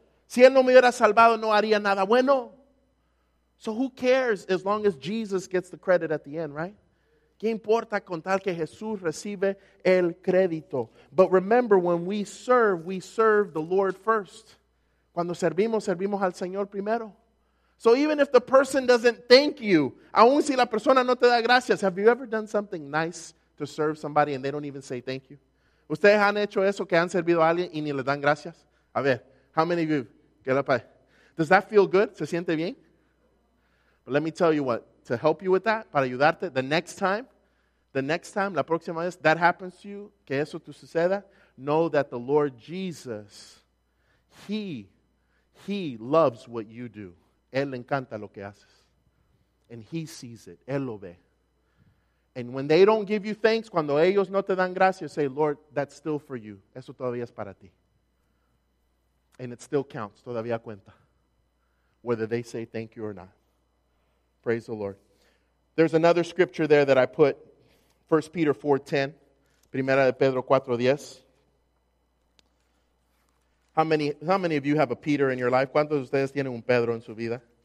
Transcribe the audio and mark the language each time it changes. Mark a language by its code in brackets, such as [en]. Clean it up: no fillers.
[es] Si él no me hubiera salvado, no haría nada bueno. [en] So who cares as long as Jesus gets the credit at the end, right? [es] ¿Qué importa con tal que Jesús recibe el crédito? [en] But remember, when we serve the Lord first. [es] Cuando servimos, servimos al Señor primero. [en] So even if the person doesn't thank you, [es] aun si la persona no te da gracias, [en] have you ever done something nice to serve somebody and they don't even say thank you? [es] ¿Ustedes han hecho eso, que han servido a alguien y ni les dan gracias? A ver, [en] how many of you? Get up. Does that feel good? [es] ¿Se siente bien? [en] But let me tell you what. To help you with that, [es] para ayudarte, [en] the next time, [es] la próxima vez, [en] that happens to you, [es] que eso te suceda, [en] know that the Lord Jesus, He loves what you do. [es] Él le encanta lo que haces. [en] And He sees it. [es] Él lo ve. [en] And when they don't give you thanks, [es] cuando ellos no te dan gracias, [en] say, Lord, that's still for you. [es] Eso todavía es para ti. [en] And it still counts. [es] Todavía cuenta. [en] Whether they say thank you or not. Praise the Lord. There's another scripture there that I put. 1 Peter 4:10. [es] Primera de Pedro 4:10. [en] How many of you have a Peter in your life? [es] ¿Cuántos de ustedes tienen un Pedro en su vida?